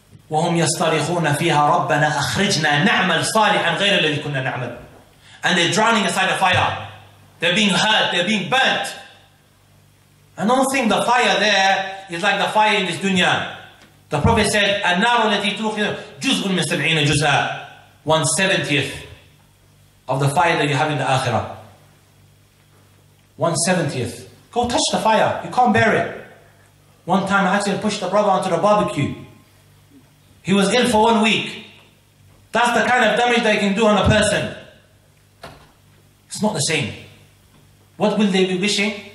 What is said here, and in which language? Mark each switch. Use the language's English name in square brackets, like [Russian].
[Arabic] وَهُمْ يَصْطَرِخُونَ فِيهَا رَبَّنَا أَخْرِجْنَا نَعْمَلْ صَالِحًا غَيْرَ الَّذِي كُنَّا نَعْمَلْ. [English] And they're drowning inside a fire. They're being hurt, they're being burnt. And don't think the fire there is like the fire in this dunya. The Prophet said, [Arabic] النَّارُ الَّتِي تُوْخِنَا جُزْءٌ مِنْ سَبْعِينَ جُزْءَ. [English] 1/70 of the fire that you have in the Akhirah. 1/70. Go touch the fire, you can't bear it. One time I actually pushed a brother onto the barbecue. He was ill for 1 week. That's the kind of damage that you can do on a person. It's not the same. What will they be wishing?